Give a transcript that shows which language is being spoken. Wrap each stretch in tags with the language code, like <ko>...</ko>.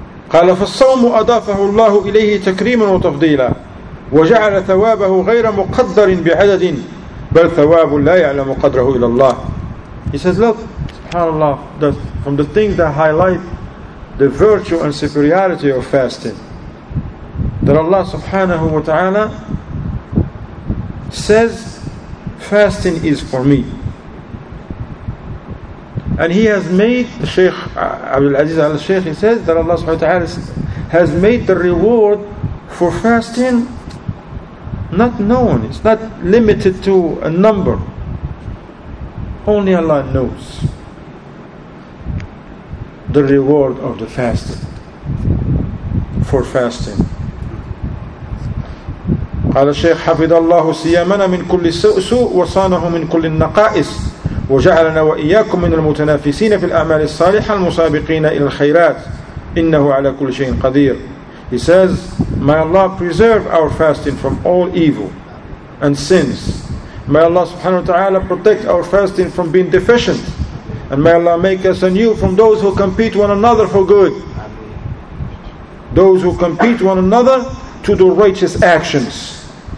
<ar>قال فالصوم أضافه الله إليه تكريما وتفضيلا وجعل ثوابه غير مقدر بعدد بل ثواب لا يعلم قدره إلا الله.</ar> <en>He says, look, subhanAllah, that from the things that highlight the virtue and superiority of fasting, that Allah subhanahu wa ta'ala says, fasting is for me. And he has made, the Shaykh Abdul Aziz al-Shaykh, he says that Allah subhanahu wa ta'ala has made the reward for fasting not known. It's not limited to a number. Only Allah knows the reward of the fasting, for fasting.</en> <ar>قال الشيخ حفظ الله سيامنا من كل سوء وصانه من كل النقائص وجعلنا وإياكم من المتنافسين في الأعمال الصالحة المسابقين إلى الخيرات إنه على كل شيء قدير.</ar> <en>He says, may Allah preserve our fasting from all evil and sins. May Allah subhanahu wa ta'ala protect our fasting from being deficient. And may Allah make us anew from those who compete one another for good. Those who compete one another to do righteous actions.</en>